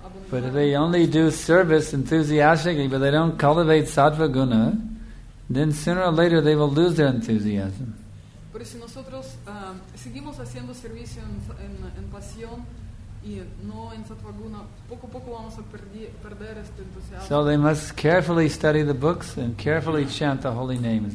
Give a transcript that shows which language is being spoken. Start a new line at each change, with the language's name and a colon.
English: But if they only do service enthusiastically, but they don't cultivate sattva guna, then sooner or later they will lose their enthusiasm.
Spanish: Pero si nosotros seguimos haciendo servicio en pasión y no en sattva guna, poco a poco vamos a perder este entusiasmo.
English: So they must carefully study the books and carefully chant the holy names.